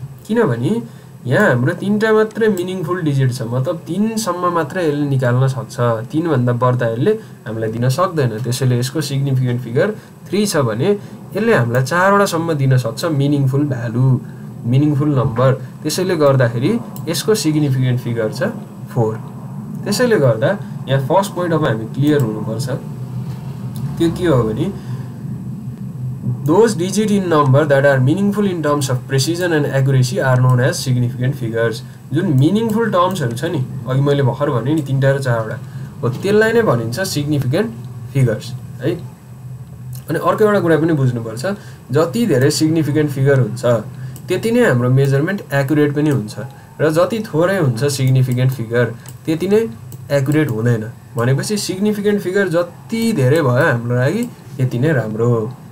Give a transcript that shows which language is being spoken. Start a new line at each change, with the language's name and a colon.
Nepali: किनभने यहाँ हाम्रो 3 मात्रै मिनिङफुल डिजिट छ, मतलब 3 मात्रै यसले निकाल्न सक्छ, 3 बढ्दा यसले हामीलाई दिन सक्दैन. त्यसैले यसको सिग्निफिकेन्ट फिगर 3 छ भने यसले हामीलाई 4 दिन सक्छ मिनिङफुल भ्यालु, मिनिङफुल नम्बर. त्यसैले गर्दाखेरि यसको सिग्निफिकेन्ट फिगर छ 4. त्यसैले गर्दा यहाँ फर्स्ट पोइन्ट अब हामी क्लियर हुनुपर्छ, त्यो के हो भने
English: those digit in number that are meaningful in terms of precision and accuracy are known as significant figures.
Nepali: जुन मिनिङफुल टर्म्सहरू छ नि, अघि मैले भर्खर भने नि 3 र 4 हो, त्यसलाई नै भनिन्छ सिग्निफिकेन्ट
English: figures.
Nepali: अनि अर्को एउटा कुरा पनि बुझ्नु पर्छ जति धेरै सिग्निफिकेन्ट फिगर हुन्छ त्यति नै हाम्रो मेजरमेन्ट एक्युरेट पनि हुन्छ र जति थोरै हुन्छ सिग्निफिकेन्ट फिगर त्यति नै एक्युरेट हुँदैन भनेपछि सिग्निफिकेन्ट फिगर जति धेरै भयो हाम्रो लागि त्यति नै राम्रो हो